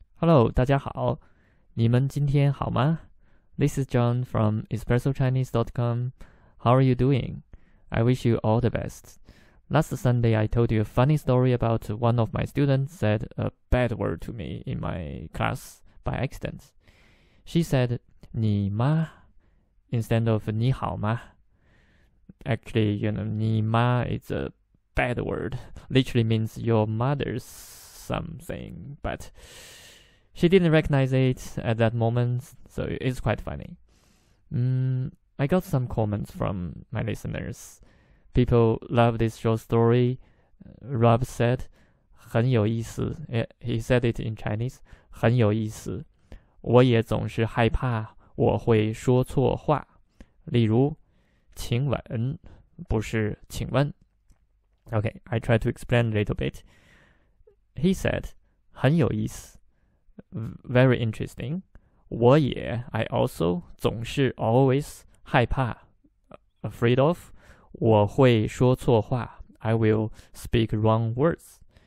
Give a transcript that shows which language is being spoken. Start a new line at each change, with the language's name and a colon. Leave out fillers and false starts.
English: Hello,
Chinese: 大家好, 你们今天好吗?
English: This is John from espressochinese.com. How are you doing? I wish you all the best. Last Sunday, I told you a funny story about one of my students said a bad word to me in my class by accident. She said,
Chinese: 你妈,
English: instead of
Chinese: 你好吗?
English: Actually, you know,
Chinese: 你妈
English: is a bad word. Literally means your mother's something, but she didn't recognize it at that moment, so it's quite funny. I got some comments from my listeners. People love this short story. Rob said,
Chinese: 很有意思.
English: He said it in Chinese, 很有意思.
Chinese: 我也总是害怕我会说错话. 例如, 请问不是请问.
English: Okay, I try to explain a little bit. He said,
Chinese: 很有意思.
English: Very interesting.
Chinese: 我也,
English: I also,
Chinese: 总是,
English: always,
Chinese: 害怕,
English: afraid of,
Chinese: 我会说错话,
English: I will speak wrong words.